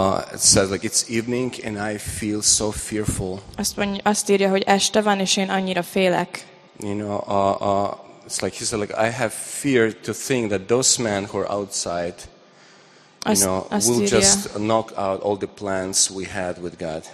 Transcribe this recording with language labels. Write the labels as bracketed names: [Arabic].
[English] It says like it's evening and I feel so fearful. [Hungarian] Azt írja, hogy este van és én annyira félek. [English] You know, it's like he said like I have fear to think that those men who are outside, you know, will just knock out all the plans we had with God.